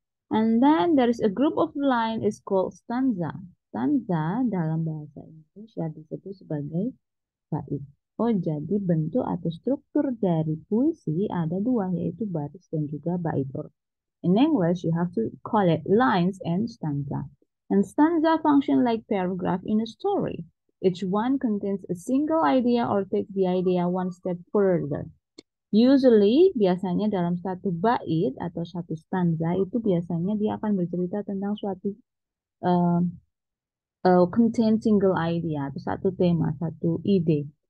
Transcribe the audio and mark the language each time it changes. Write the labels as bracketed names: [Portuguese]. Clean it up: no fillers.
[English] And then there is a group of line is called stanza. [Indonesian] Stanza dalam bahasa Indonesia disebut sebagai bait. Oh, jadi bentuk atau struktur dari puisi ada dua, yaitu baris dan juga bait. [English] In English, you have to call it lines and stanza. And stanza function like paragraph in a story. Each one contains a single idea or takes the idea one step further. Usually, [Indonesian] biasanya dalam satu bait atau satu stanza itu biasanya dia akan bercerita tentang suatu [English] contain single idea [Indonesian] atau satu tema, satu ide.